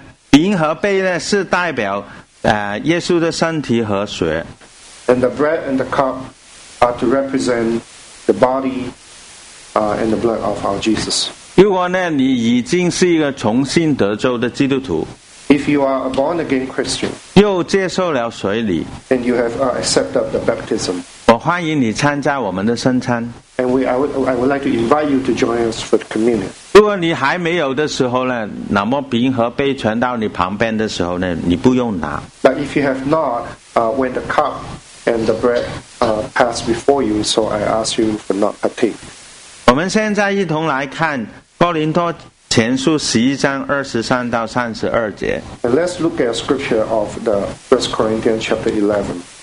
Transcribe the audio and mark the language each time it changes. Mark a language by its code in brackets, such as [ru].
[zh] 饼和杯呢是代表耶稣的身体和血。 [en] And the bread and the cup are to represent the body and the blood of our Jesus. [zh] 如果呢你已经是一个重新得救的基督徒 [en] ，If you are a born again Christian， [zh] 又接受了水礼 [en] ，And you have accepted the baptism， [zh] 我欢迎你参加我们的圣餐。 [en] And I would like to invite you to join us for the communion. [zh] 如果你还没有的时候呢，那么饼和杯传到你旁边的时候呢，你不用拿。 [en] But if you have not, when the cup and the bread pass before you, so I ask you for not partake. [zh] 我们现在一同来看哥林多前书十一章二十三到三十二节。 [en] And let's look at a scripture of the First Corinthians chapter 11.